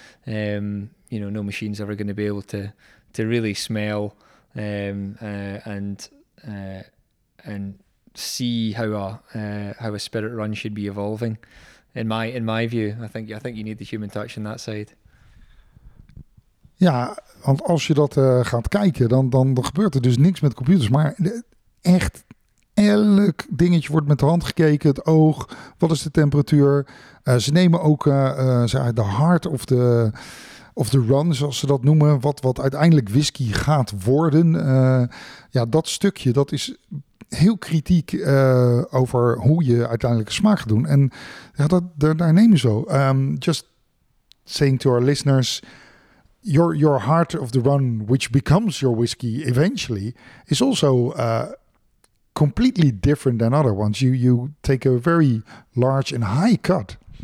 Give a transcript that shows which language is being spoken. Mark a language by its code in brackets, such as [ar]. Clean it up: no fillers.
[en] No machine's ever going to be able to really smell and see how a spirit run should be evolving. In my view, I think you need the human touch on that side. [nl] Ja, want als je dat gaat kijken, dan gebeurt er dus niks met computers. Maar echt elk dingetje wordt met de hand gekeken. Het oog, wat is de temperatuur? Ze nemen ook de [en] heart of the run, [nl] zoals ze dat noemen. Wat uiteindelijk whisky gaat worden. Dat stukje, dat is heel kritiek over hoe je uiteindelijk smaak gaat doen. En ja, daar nemen ze zo. [en] Just saying to our listeners, your heart of the run, which becomes your whiskey eventually, is also completely different than other ones. You take a very large and high cut.